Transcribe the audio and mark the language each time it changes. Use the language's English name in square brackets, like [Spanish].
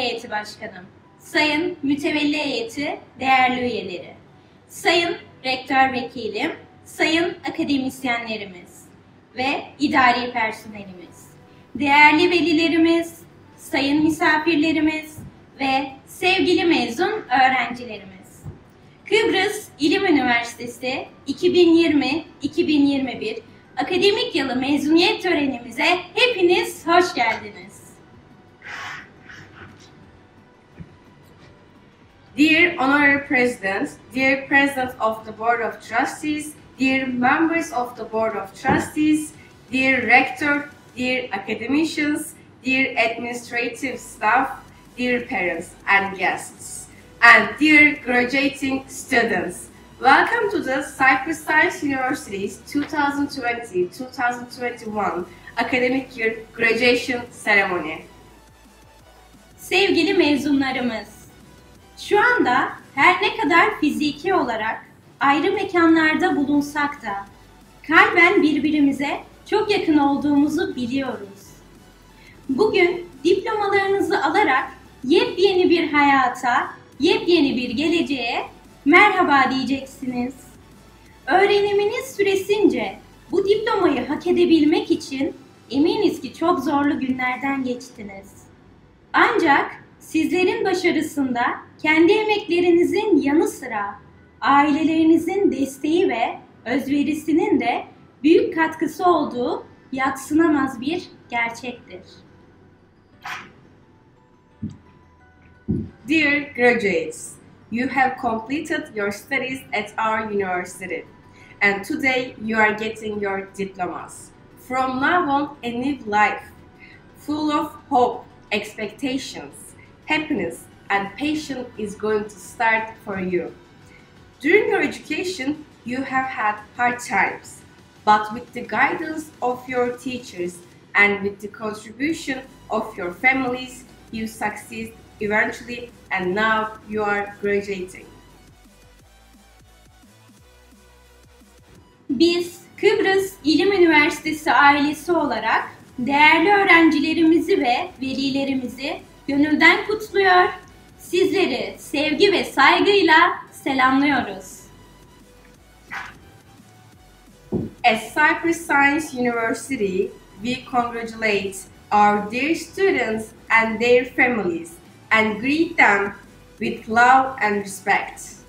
[Turkish] Başkanım, Sayın Mütevelli Heyeti değerli üyeleri, Sayın Rektör Vekilim, Sayın Akademisyenlerimiz ve idari personelimiz, değerli velilerimiz, sayın misafirlerimiz ve sevgili mezun öğrencilerimiz. Kıbrıs İlim Üniversitesi 2020-2021 akademik yılı mezuniyet törenimize hepiniz hoş geldiniz. [English] Dear Honorary President, dear President of the Board of Trustees, dear members of the Board of Trustees, dear Rector, dear Academicians, dear Administrative Staff, dear Parents and Guests, and dear Graduating Students, welcome to the Cyprus Science University's 2020-2021 Academic Year Graduation Ceremony. [Turkish] Sevgili mezunlarımız, şu anda her ne kadar fiziki olarak ayrı mekanlarda bulunsak da kalben birbirimize çok yakın olduğumuzu biliyoruz. Bugün diplomalarınızı alarak yepyeni bir hayata, yepyeni bir geleceğe merhaba diyeceksiniz. Öğreniminiz süresince bu diplomayı hak edebilmek için eminiz ki çok zorlu günlerden geçtiniz. Ancak sizlerin başarısında kendi emeklerinizin yanı sıra ailelerinizin desteği ve özverisinin de büyük katkısı olduğu yadsınamaz bir gerçektir. [English] Dear graduates, you have completed your studies at our university, and today you are getting your diplomas. From now on, a new life, full of hope, expectations, happiness, and passion is going to start for you. During your education, you have had hard times, but with the guidance of your teachers and with the contribution of your families, you succeed eventually, and now you are graduating. [Turkish] Biz Kıbrıs İlim Üniversitesi ailesi olarak değerli öğrencilerimizi ve velilerimizi gönülden kutluyor, sizleri sevgi ve saygıyla selamlıyoruz. [English] At Cyprus Science University, we congratulate our dear students and their families and greet them with love and respect.